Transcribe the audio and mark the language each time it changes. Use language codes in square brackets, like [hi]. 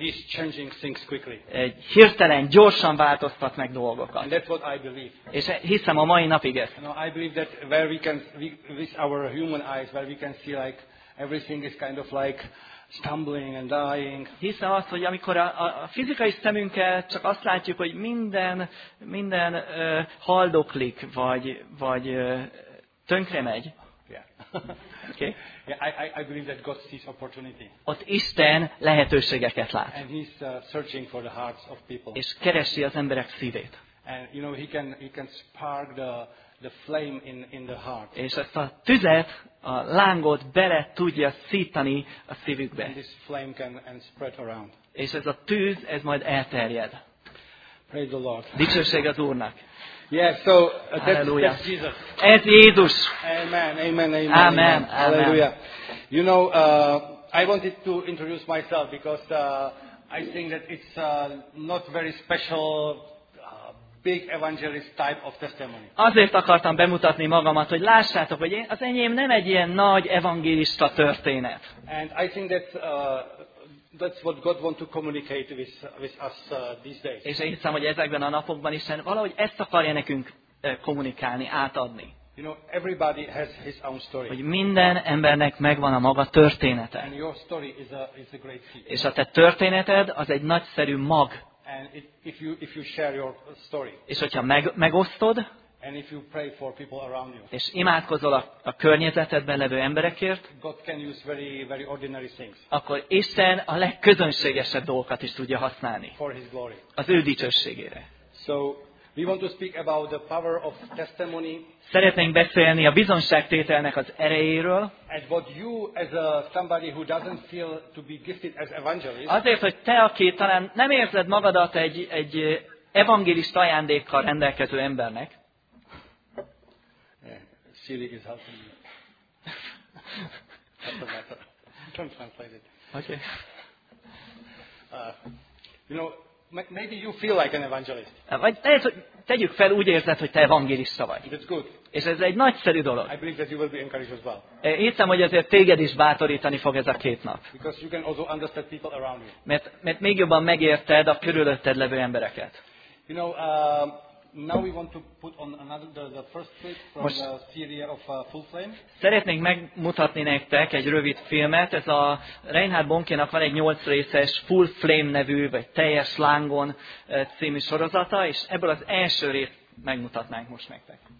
[en] He's changing things quickly. [hu] Egy hirtelen, gyorsan változtat meg dolgokat. [en] And that's what I believe. [hu] És hiszem a mai napig ezt. [en] No, I believe that where we can with our human eyes, where we can see like everything is kind of like stumbling and dying. [hu] Hiszem azt, hogy amikor a fizikai szemünkkel csak azt látjuk, hogy minden haldoklik vagy tönkre megy. [en] Yeah. Okay. Yeah, I believe that God sees opportunity. [hu] Ott Isten lehetőségeket lát. [en] And he's searching for the hearts of people. [hu] És keresi az emberek szívét. [en] And you know he can spark the flame in the heart. [hu] És ezt a tüzet, a lángot bele tudja szítani a szívükbe. [en] And this flame can spread around. [hu] És ez a tűz, ez majd elterjed. [en] Praise the Lord. [hu] Dicsőség az Úrnak. [en] Yeah, so that's Jesus. [hu] Ez Jézus. Amen, amen, amen. Amen, amen. Hallelujah. [en] You know, I wanted to introduce myself because I think that it's not very special big evangelist type of testimony. [hu] Azért akartam bemutatni magamat, hogy lássátok, hogy az enyém nem egy ilyen nagy evangélista történet. [en] And I think that that's what God wants to communicate with us these days. [hu] És én hiszem, hogy ezekben a napokban is valahogy ezt akarja nekünk kommunikálni, átadni. [en] You know, everybody has his own story. [hu] Hogy minden embernek megvan a maga története. [en] And your story is a great seed. [hu] És a te történeted az egy nagyszerű mag. [en] And if you share your story. [hu] És hogyha megosztod. [en] And if you pray for people around you. [hu] És imádkozol a környezetedben levő emberekért. [en] God can use very very ordinary things. [hu] Akkor Isten a legközönségesebb dolgokat is tudja használni. [en] For his glory. [hu] Az ő dicsőségére. [en] So we want to speak about the power of testimony. [hu] Szeretnénk beszélni a bizonyságtételnek az erejéről. [en] And what you as a somebody who doesn't feel to be gifted as evangelist. [hu] Azért, hogy te, aki talán nem érzed magadat egy evangélista ajándékkal rendelkező embernek. [en] Yeah, Siri is helping me. That's the matter. Don't translate it. Okay. You know, maybe you feel like an evangelist. [hu] Vagy lehet, hogy tegyük fel, úgy érzed, hogy te evangélista vagy. [en] That's good. [hu] És ez egy nagyszerű dolog. [en] I believe that you will be encouraged as well. [hu] Hiszem, hogy azért téged is bátorítani fog ez a két nap. [en] Because you can also understand people around you. [hu] Mert még jobban megérted a körülötted levő embereket. [en] You know, now we want to put on another the first clip from most the series of Full Flame. [hu] Szeretnénk megmutatni nektek egy rövid filmet. Ez a Reinhard Bonnke-nak van egy 8 részes Full Flame nevű, vagy teljes lángon című sorozata, és ebből az első részt megmutatnánk most nektek.